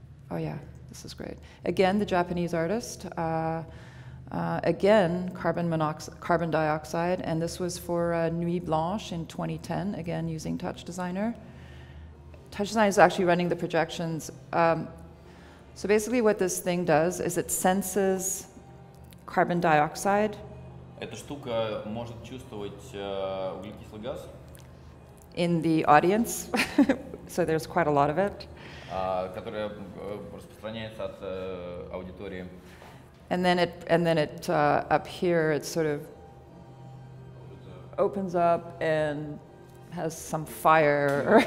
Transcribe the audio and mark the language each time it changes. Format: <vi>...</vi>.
<en>Oh yeah, this is great. Again, the Japanese artist, again, carbon dioxide, and this was for Nuit Blanche in 2010, again using TouchDesigner. TouchDesigner is actually running the projections. So basically what this thing does is it senses carbon dioxide.</en> <ru>Эта штука может чувствовать углекислый газ.</ru> <en>In the audience, so there's quite a lot of it.</en> <ru>Которая распространяется от аудитории.</ru> <en>And then it up here it sort of opens up and has some fire.</en>